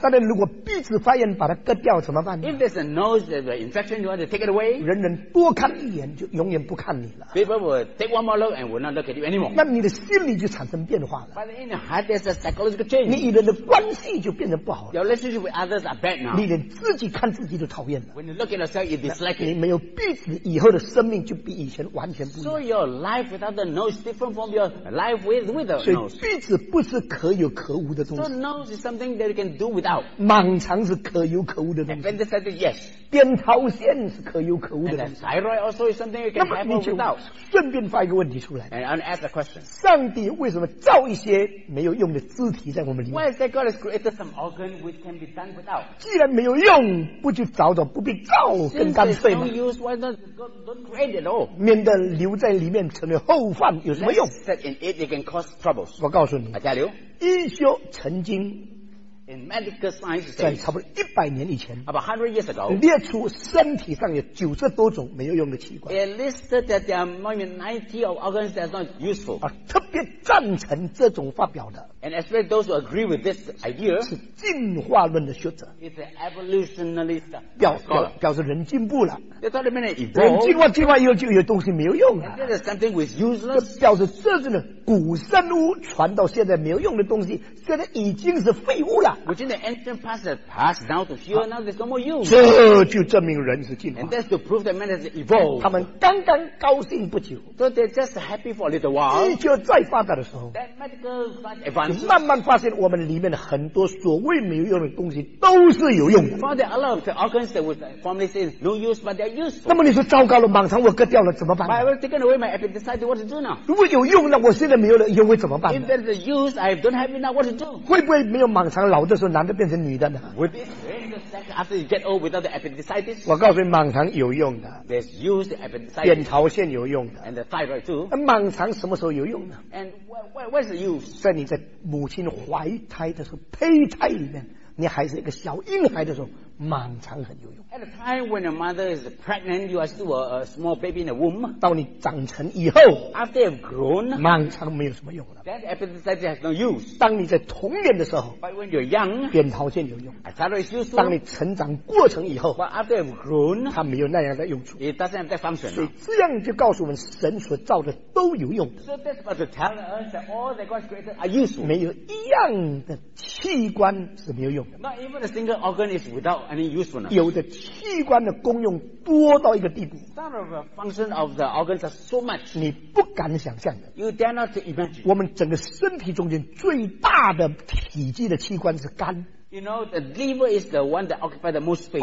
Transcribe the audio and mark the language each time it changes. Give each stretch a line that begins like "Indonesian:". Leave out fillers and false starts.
Chinese: 当然，如果鼻子发炎把它割掉怎么办
English: ？If there's a nose the infection, you want to take it away.
Chinese: 人人多看一眼就永远不看你了。
English: People will take one more look and will not look at you.
Chinese: 那你的心理就产生变化了。
English: But in your heart, there's a psychological change.
Chinese: 你与人的关系就变得不好了。
English: Your relationship with others are bad now.
Chinese: 你连自己看自己都讨厌了。
English: When you look at yourself, you dislike it.
Chinese: 你没有鼻子，以后的生命就比以前完全不一样。
English: So your life without the nose is different from your life with the nose.
Chinese: 所以鼻子不是可有可无的东西。
English: So nose is something that you can do without.
Chinese: 盲肠是可有可无的东西。
English: Appendicitis, yes.
Chinese: 扁桃腺是可有可无的东西。
English: And thyroid also is something you can have without.
Chinese: 顺便发一个问题出来。
English: And ask the question.
Chinese: 上帝为什么造一些没有用的肢体在我们里面
English: ？Why is that God has created some organ which can be done without?
Chinese: 既然没有用，不就早早不必造更干脆吗
English: ？Since it's no use, why don't create it all?
Chinese: 免得留在里面成为后患，有什么用
English: ？Let's set in it, it can cause troubles.
Chinese: 我告诉你
English: ，I tell you,
Chinese: 医学曾经。
English: In medical science,
Chinese: 在差不多一百年以前
English: ，about 100 years ago,
Chinese: 列出身体上有九十多种没有用的器官。
English: It listed that there are more than 90 of organs that are not useful.
Chinese: 啊，特别赞成这种发表的。
English: And especially those who agree with this idea
Chinese: 是进化论的学者。
English: It's an evolutionist.
Chinese: 表示人进步了。
English: They thought it meant evolved.
Chinese: 人进化以后就有东西没有用了。
English: And this is something which is useless.
Chinese: 表示这是呢古生物传到现在没有用的东西，现在已经是废物了。
English: Which in the ancient past that passed down to here, now there's no more use.
Chinese: 这就证明人是进化。
English: And that's to prove that man has evolved.
Chinese: 他们刚刚高兴不久。
English: So they're just happy for a little while.
Chinese: 医学再发达的时候。
English: That medical science advanced.
Chinese: 慢慢发现我们里面很多所谓没有用的东西都是有用的。
English: A lot of the organs that was formerly said no use, but they're useful.
Chinese: 那么你说糟糕了，盲肠我割掉了怎么办
English: ？I will take away my appendicitis. What to do now?
Chinese: 如果有用，那我现在没有了，又会怎么办
English: ？If there's a use, I don't have it now. What to do?
Chinese: 会不会没有盲肠老的时候男的变成女的呢
English: ？Would it change the sex after you get old without the appendicitis?
Chinese: 我告诉你，盲肠有用的。
English: There's use the appendicitis.
Chinese: 扁桃腺有用的。
English: And the thyroid too.
Chinese: 那盲肠什么时候有用呢
English: ？And where's the use?
Chinese: 在你在母亲怀胎的时候，胚胎里面，你还是一个小婴孩的时候，盲肠很有用。
English: At the time when your mother is pregnant, you are still a small baby in the womb.
Chinese: 到你长成以后
English: ，After you've grown,
Chinese: 盲肠没有什么用了。
English: That appendicitis has no use.
Chinese: 当你在童年的时候
English: ，But when you're young,
Chinese: 扁桃腺有用。
English: I thought it's useful.
Chinese: 当你成长过程以后
English: ，But after you've grown,
Chinese: 它没有那样的用处。
English: It doesn't have that function.
Chinese: 所以这样就告诉我们，神所造的都有用的。
English: So that's about to tell us that all that God created are useful.
Chinese: 没有一样的器官是没有用的。
English: Not even a single organ is without.
Chinese: 有的器官的功用多到一个地步
English: Some of the functions of the organs are so much
Chinese: 你不敢想象的
English: You dare not imagine
Chinese: 我们整个身体中间最大的体积的器官是肝
English: You know, the liver is the one that occupies the most space.